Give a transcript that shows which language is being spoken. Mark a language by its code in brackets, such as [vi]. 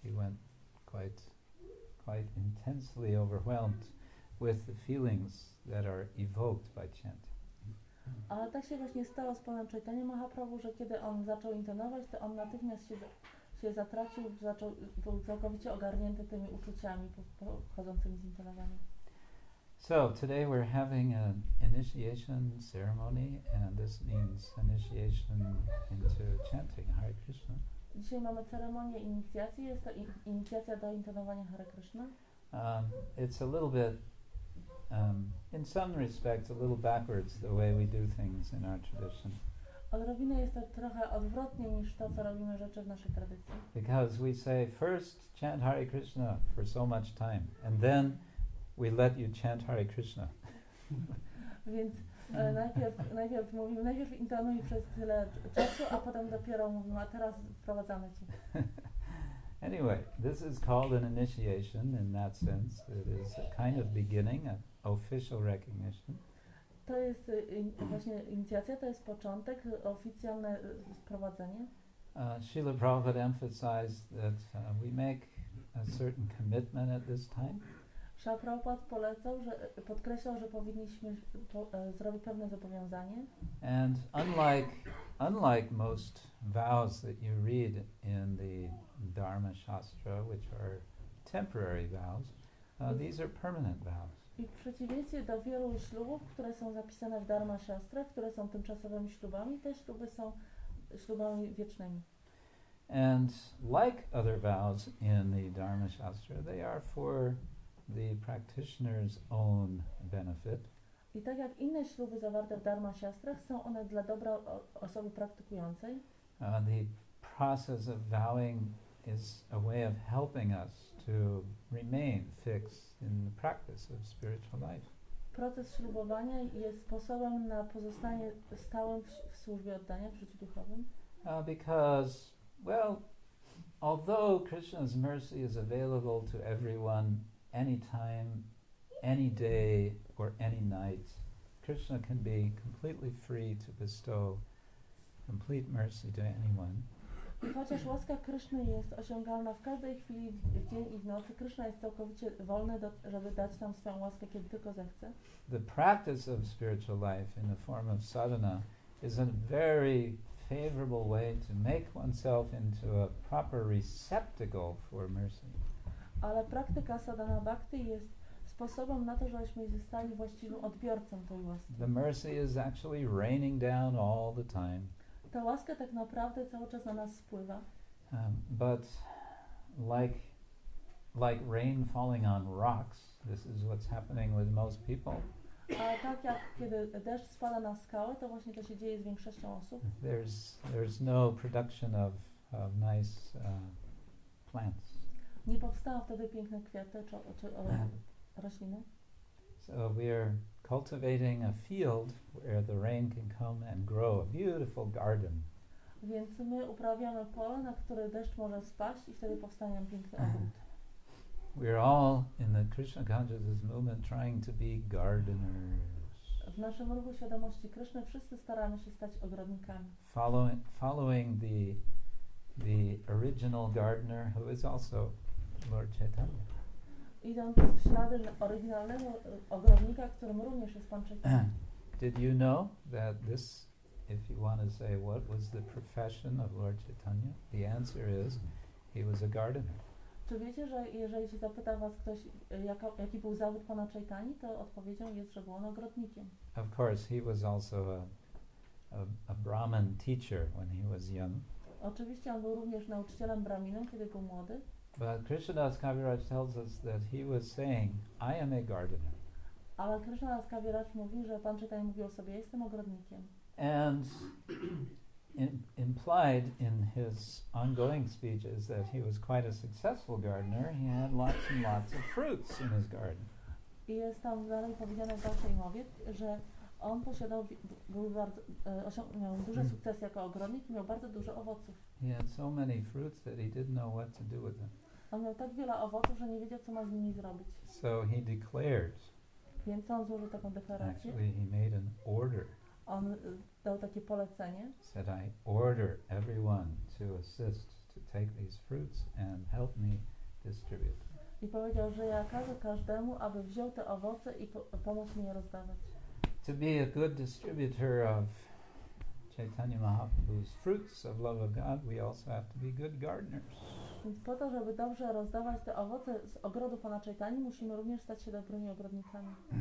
[en] He went quite intensely overwhelmed with the feelings that are evoked by chant. [pl] Ale tak się właśnie stało z panem Chaitanya Mahaprabhu, że kiedy on zaczął intonować, to on natychmiast się zatracił, był całkowicie ogarnięty tymi uczuciami pochodzącymi z intonowania. [en] So today we're having an initiation ceremony, and this means initiation into chanting Hare Krishna. [pl] Dzisiaj mamy ceremonię inicjacji, jest to inicjacja do intonowania Hare Krishna. [en] It's a little bit, in some respects, a little backwards the way we do things in our tradition. [pl] Odrobinę jest to trochę odwrotnie niż to, co robimy rzeczy w naszej tradycji. [en] Because we say first chant Hare Krishna for so much time, and then we let you chant Hare Krishna. [pl] Więc najpierw mówimy, najpierw intonuj przez tyle czasu, a potem dopiero mówimy, a teraz wprowadzamy cię. [en] Anyway, this is called an initiation in that sense. It is a kind of beginning, an official recognition. [pl] To jest właśnie inicjacja, to jest początek, oficjalne wprowadzenie. [en] Srila Prabhupada emphasized that we make a certain commitment at this time. [pl] Srila Prabhupada podkreślał, że powinniśmy zrobić pewne zobowiązanie. [en] And unlike most vows that you read in the Dharma Shastra, which are temporary vows, these are permanent vows. [pl] I w przeciwieństwie do wielu ślubów, które są zapisane w Dharma Shastra, które są tymczasowymi ślubami, te śluby są ślubami wiecznymi. [en] And like other vows in the Dharma Shastra, they are for the practitioner's own benefit. [pl] I tak jak inne śluby zawarte w Dharma Shastrach, są one dla dobra osoby praktykującej. [en] The process of vowing is a way of helping us to remain fixed in the practice of spiritual life. [pl] Proces ślubowania jest sposobem na pozostanie stałym w służbie oddania, w życiu duchowym. [en] Because, well, although Krishna's mercy is available to everyone anytime, any day, or any night, Krishna can be completely free to bestow complete mercy to anyone. [pl] I chociaż łaska Kryszny jest osiągalna w każdej chwili, w dzień i w nocy, Kryszna jest całkowicie wolny, żeby dać nam swoją łaskę, kiedy tylko zechce. [en] The practice of spiritual life in the form of sadhana is a very favorable way to make oneself into a proper receptacle for mercy. [pl] Ale praktyka sadhana bhakti jest sposobem na to, żebyśmy zostali właściwym odbiorcą tej łaski. [en] The mercy is actually raining down all the time. [pl] Ta łaska tak naprawdę cały czas na nas spływa. [en] But like rain falling on rocks, this is what's happening with most people. [pl] Ale tak jak kiedy deszcz spada na skałę, to właśnie to się dzieje z większością osób. [en] There's no production of nice plants. [pl] Nie powstało wtedy piękne kwiaty czy rośliny. [en] So we are cultivating a field where the rain can come and grow a beautiful garden. [pl] Więc my uprawiamy pole, na które deszcz może spaść i wtedy powstanie piękny ogród. [en] We're all in the Krishna consciousness movement trying to be gardeners. [pl] W naszym ruchu świadomości Krishna wszyscy staramy się stać ogrodnikami. [en] Following the original gardener, who is also Lord Chaitanya. [pl] Idąc w ślady oryginalnego ogrodnika, którym również jest pan Chaitanya. [en] Did you know that this, if you want to say what was the profession of Lord Chaitanya, the answer is he was a gardener. [pl] Czy wiecie, że jeżeli się zapyta was ktoś, jaki był zawód pana Chaitanyi, to odpowiedzią jest, że był on ogrodnikiem. [en] Of course, he was also a Brahmin teacher when he was young. [pl] Oczywiście on był również nauczycielem brahminem, kiedy był młody. [en] But Krishnadas Kaviraj tells us that he was saying, I am a gardener. [pl] Ale Krishnadas Kaviraj mówi, że pan Chaitanya mówi o sobie, jestem ogrodnikiem. [en] And implied in his ongoing speeches that he was quite a successful gardener, he had lots and lots of fruits in his garden. [pl] I jest tam dalej powiedziane w dalszej mowie, że on posiadał, był bardzo, osiągnął duże sukcesy jako ogrodnik i miał bardzo dużo owoców. [en] He had so many fruits that he didn't know what to do with them. [pl] On miał tak wiele owoców, że nie wiedział, co ma z nimi zrobić. [en] So he declared. [pl] Więc on złożył taką deklarację. [en] Actually, he made an order. [pl] On dał takie polecenie. [en] Said, I order everyone to assist to take these fruits and help me distribute. [pl] I powiedział, że ja każę każdemu, aby wziął te owoce i pomógł mi je rozdawać. [en] To be a good distributor of Chaitanya Mahaprabhu's fruits of love of God, we also have to be good gardeners. [pl] Więc po to, żeby dobrze rozdawać te owoce z ogrodu Pana Chaitanya, musimy również stać się dobrymi ogrodnikami.